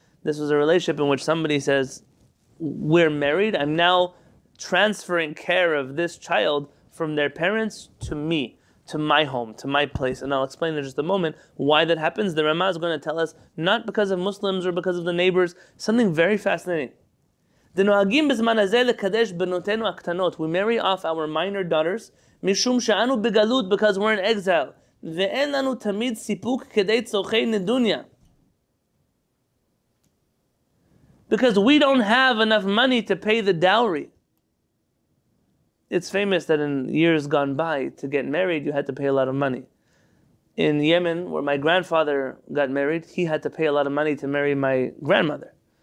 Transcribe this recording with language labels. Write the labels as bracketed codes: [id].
[en] This was a relationship in which somebody says, we're married, I'm now transferring care of this child from their parents to me, to my home, to my place. And I'll explain in just a moment why that happens. The Ramah is going to tell us, not because of Muslims or because of the neighbors, something very fascinating. We marry off our minor daughters, [he] mishum she'anu begalut, [en] because we're in exile. [he] ואין לנו תמיד סיפוק כדי צורכי נדוניה. [en] Because we don't have enough money to pay the dowry. It's famous that in years gone by, to get married, you had to pay a lot of money. In Yemen, where my grandfather got married, he had to pay a lot of money to marry my grandmother.